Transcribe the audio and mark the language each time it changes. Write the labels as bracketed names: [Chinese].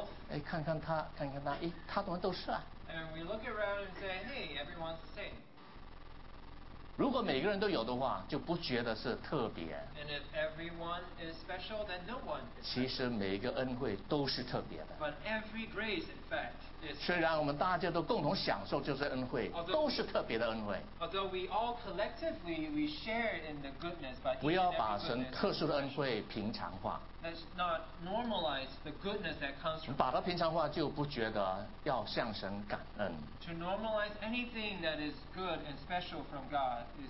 [Chinese] 哎，看看他，看看他，哎，他怎么都是啊？ [English] And we look around and say, hey, everyone's the same. [Chinese] 如果每个人都有的话，就不觉得是特别。 [English] And if everyone is special, then no one is. [Chinese] 其实每一个恩惠都是特别的。 [English] But every grace, in fact, is. [Chinese] 虽然我们大家都共同享受就是恩惠，都是特别的恩惠。 [English] Although we all collectively we share in the goodness, but [Chinese] 不要把神特殊的恩惠平常化。 [English] Let's not normalize the goodness that comes from. [Chinese] 把它平常化就不觉得要向神感恩。 [English] To normalize anything that is good and special from God.